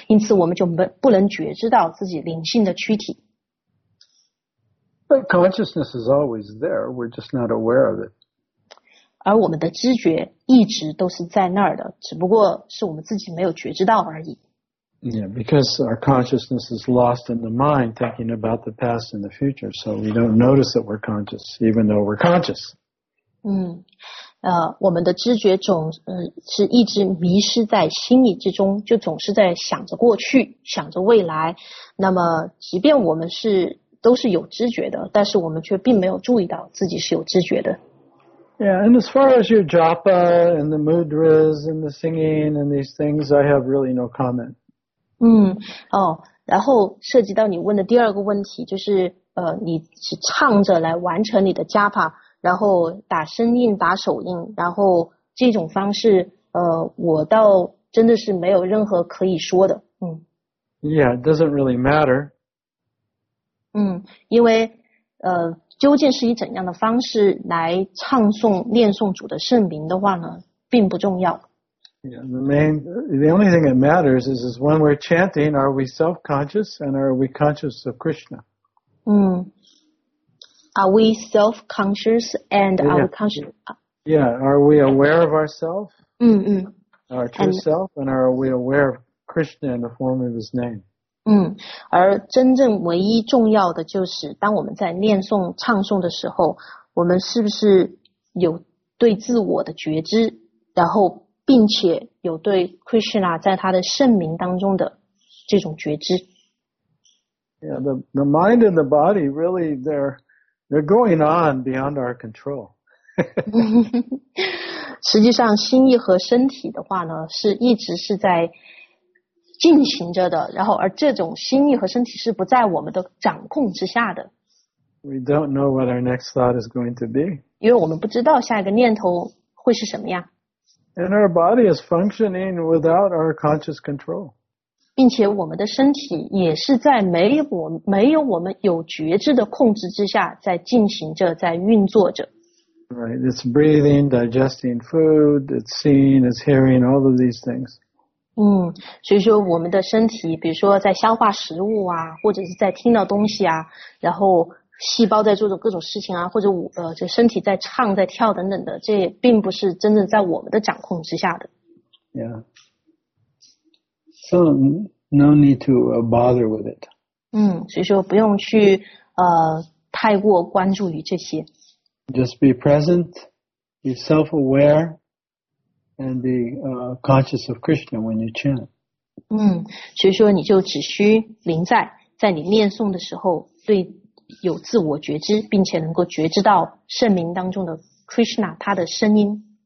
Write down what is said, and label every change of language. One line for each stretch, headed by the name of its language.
Chinese: 因此我们就不能觉知到自己灵性的躯体。
English: But consciousness is always there, we're just not aware of it.
Chinese: 而我们的知觉一直都是在那儿的, 只不过是我们自己没有觉知到而已。
English: Yeah, because our consciousness is lost in the mind, thinking about the past and the future, so we don't notice that we're conscious, even though we're conscious.
Chinese: 我们的知觉总是一直迷失在心意之中，就总是在想着过去，想着未来。那么，即便我们是都是有知觉的，但是我们却并没有注意到自己是有知觉的。
English: Yeah, and as far as your japa and the mudras and the singing and these things, I have really no comment.
Chinese: 嗯，哦，然后涉及到你问的第二个问题，就是你是唱着来完成你的japa，然后打声印、打手印，然后这种方式，我倒真的是没有任何可以说的。嗯。
English: Yeah, it doesn't really matter.
Chinese: 嗯，因为究竟是以怎样的方式来唱诵、念诵主的圣名的话呢，并不重要。
English: Yeah, the only thing that matters is when we're chanting, are we self-conscious and are we conscious of Krishna? 嗯。 Are we self-conscious and are we conscious? Yeah, are we aware of ourselves? 嗯嗯。 Our true self, and are we aware of Krishna in the form of his name?
Chinese: 嗯，而真正唯一重要的就是，当我们在念诵、唱诵的时候，我们是不是有对自我的觉知，然后并且有对 Krishna 在他的圣名当中的这种觉知。
English: Yeah, the mind and the body really they're going on beyond our control.
Chinese: 实际上，心意和身体的话呢，是一直是在进行着的，然后而这种心意和身体是不在我们的掌控之下的。
English: We don't know what our next thought is going to be.
Chinese: 因为我们不知道下一个念头会是什么样。
English: And our body is functioning without our conscious control.
Chinese: 并且我们的身体也是在没有我们有觉知的控制之下在进行着，在运作着。
English: Right, it's breathing, digesting food, it's seeing, it's hearing, all of these things.
Chinese: 嗯，所以说我们的身体比如说在消化食物啊，或者是在听到东西啊，然后细胞在做着各种事情啊，或者就身体在唱在跳等等的，这并不是真正在我们的掌控之下的。
English: Yeah. So no need to bother with it.
Chinese: 嗯，所以说不用去太过关注于这些。
English: Just be present, be self-aware,and be conscious of Krishna when you chant.
Chinese: 嗯，所以说你就只需临在你念诵的时候对有自我觉知，并且能够觉知到圣名当中的 Krishna 他的声音。